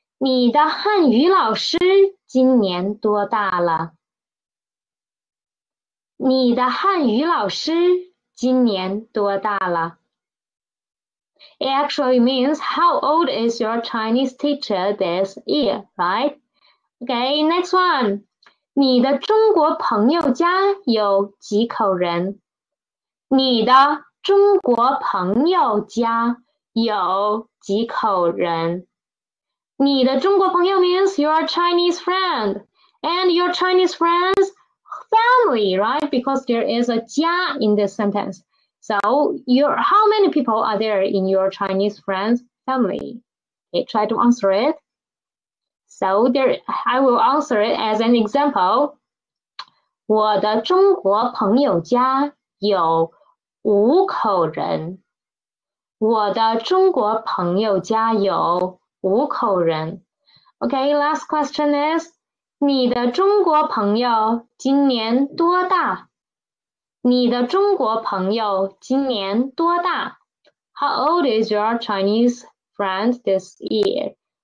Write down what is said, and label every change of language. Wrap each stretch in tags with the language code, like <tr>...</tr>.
<zh>你的汉语老师今年多大了？你的汉语老师今年多大了？</zh> <en>It actually means, how old is your Chinese teacher this year, right? Okay, next one.</en> <zh>你的中国朋友家有几口人？你的中国朋友家有几口人？你的中国朋友</zh> <en>means your Chinese friend, and your Chinese friend's family, right? Because there is a 家 in this sentence. So, how many people are there in your Chinese friend's family? Okay, try to answer it. So there, I will answer it as an example.</en> <zh>我的中国朋友家有五口人。我的中国朋友家有五口人。</zh> <en>Okay, last question is,</en> <zh>你的中国朋友今年多大？你的中国朋友今年多大？</zh> <en>How old is your Chinese friend this year?</en>